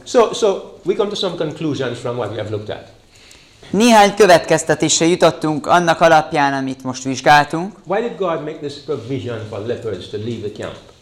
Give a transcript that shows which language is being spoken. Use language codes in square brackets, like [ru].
[en] So we come to some conclusions from what we have looked at. [hu] Néhány következtetésre jutottunk annak alapján, amit most vizsgáltunk. [en] Why did God make this provision for lepers to leave the camp?